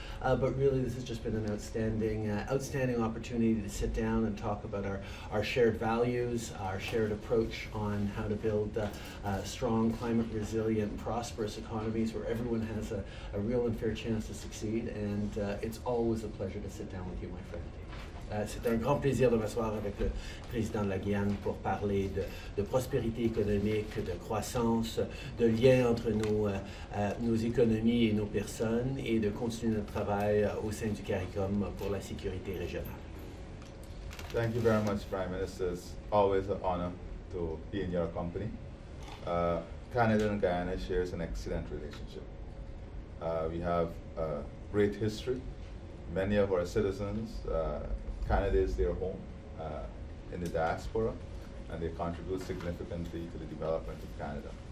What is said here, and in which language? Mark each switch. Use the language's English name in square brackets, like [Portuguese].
[English] But really, this has just been an outstanding opportunity to sit down and talk about our shared values, our shared approach on how to build strong, climate resilient, prosperous economies where everyone has a real and fair chance to succeed. And it's always a pleasure to sit down with you, my friend. [French] C'est un grand plaisir de m'asseoir avec le président de la Guyane pour parler de prospérité économique, de croissance, de lien entre nos économies et nos personnes et de continuer notre travail au sein du CARICOM pour la sécurité régionale. [English] Thank you very much, Prime Minister. It's always an honor to be in your company. Canada and Guyana shares an excellent relationship. We have a great history. Many of our citizens, Canada is their home in the diaspora, and they contribute significantly to the development of Canada.